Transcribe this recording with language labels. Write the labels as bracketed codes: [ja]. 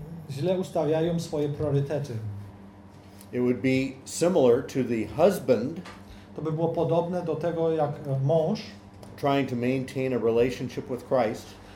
[pl] źle ustawiają swoje priorytety. [en] It would be similar to the husband. [pl] To by było podobne do tego, jak mąż [en] trying to maintain a relationship with Christ.